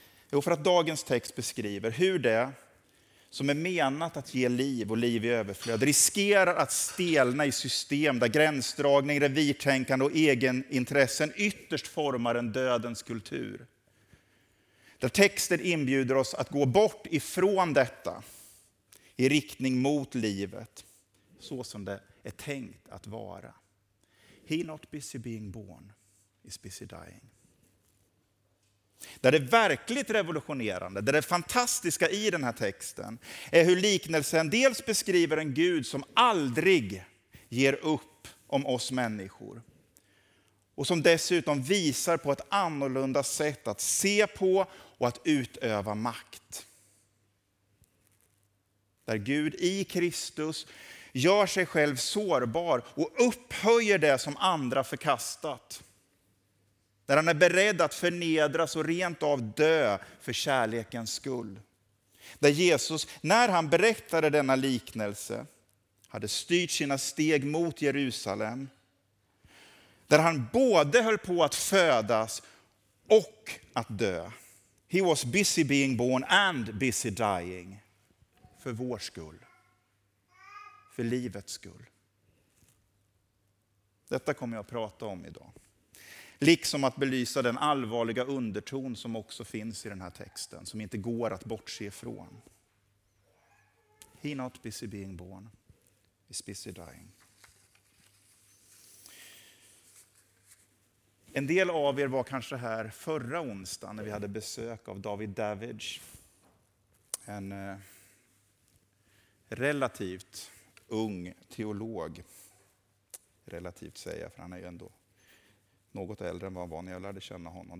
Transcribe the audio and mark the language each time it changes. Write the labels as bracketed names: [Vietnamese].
[Swedish] Jo, för att dagens text beskriver hur det som är menat att ge liv och liv i överflöd riskerar att stelna i system där gränsdragning, revirtänkande och egenintressen ytterst formar en dödens kultur. Där texten inbjuder oss att gå bort ifrån detta i riktning mot livet så som det är tänkt att vara. [English] He not busy being born is busy dying. [Swedish] Där det verkligt revolutionerande, där det fantastiska i den här texten är hur liknelsen dels beskriver en Gud som aldrig ger upp om oss människor och som dessutom visar på ett annorlunda sätt att se på och att utöva makt. Där Gud i Kristus gör sig själv sårbar och upphöjer det som andra förkastat. Där han är beredd att förnedras och rent av dö för kärlekens skull. Där Jesus, när han berättade denna liknelse, hade styrt sina steg mot Jerusalem. där han både höll på att födas och att dö. [English] He was busy being born and busy dying. [Swedish] För vår skull. För livets skull. Detta kommer jag att prata om idag. Liksom att belysa den allvarliga underton som också finns i den här texten. Som inte går att bortse ifrån. [English] He not busy being born is busy dying. [Swedish] En del av er var kanske här förra onsdagen när vi hade besök av David Davidge. En relativt ung teolog. Relativt säger jag, för han är ju ändå något äldre än vad han var när jag lärde känna honom.